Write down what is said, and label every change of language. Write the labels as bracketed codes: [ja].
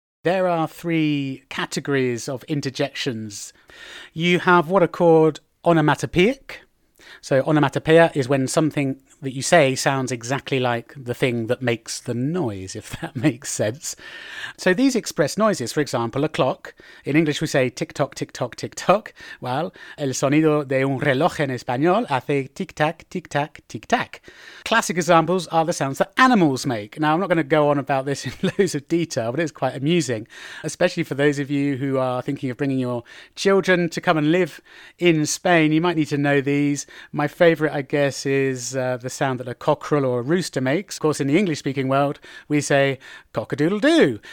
[en] There are three categories of interjections. You have what are called onomatopoeic. So onomatopoeia is when something that you say sounds exactly like the thing that makes the noise, if that makes sense. So these express noises, for example, a clock. In English, we say tick-tock, tick-tock, tick-tock. [es] Well, el sonido de un reloj en español hace tic-tac, tic-tac, tic-tac. [en] Classic examples are the sounds that animals make. Now, I'm not going to go on about this in loads of detail, but it's quite amusing, especially for those of you who are thinking of bringing your children to come and live in Spain. You might need to know these. My favorite, I guess, is the sound that a cockerel or a rooster makes. Of course, in the English-speaking world, we say cock-a-doodle-doo.